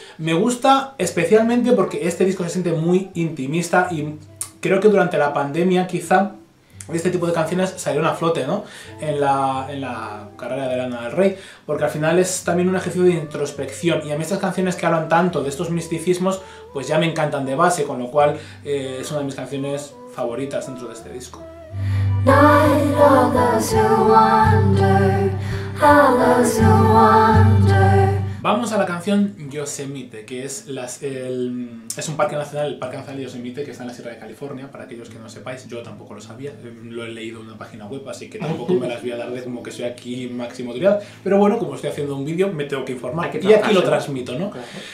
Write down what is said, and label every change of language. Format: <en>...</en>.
<es>Me gusta especialmente porque este disco se siente muy intimista y creo que durante la pandemia quizá este tipo de canciones salieron a flote, ¿no? En la carrera de Lana del Rey, porque al final es también un ejercicio de introspección y a mí estas canciones que hablan tanto de estos misticismos pues ya me encantan de base, con lo cual es una de mis canciones favoritas dentro de este disco.</es> <en>Night of those who wonder, all those who wonder.</en> <es>Vamos a la canción Yosemite, que es un parque nacional, el Parque Nacional de Yosemite, que está en la Sierra de California. Para aquellos que no sepáis, yo tampoco lo sabía, lo he leído en una página web, así que tampoco me las voy a dar de como que soy aquí máximo autoridad. Pero bueno, como estoy haciendo un vídeo, me tengo que informar. Hay que tratar, y aquí lo transmito, ¿no? Claro.</es>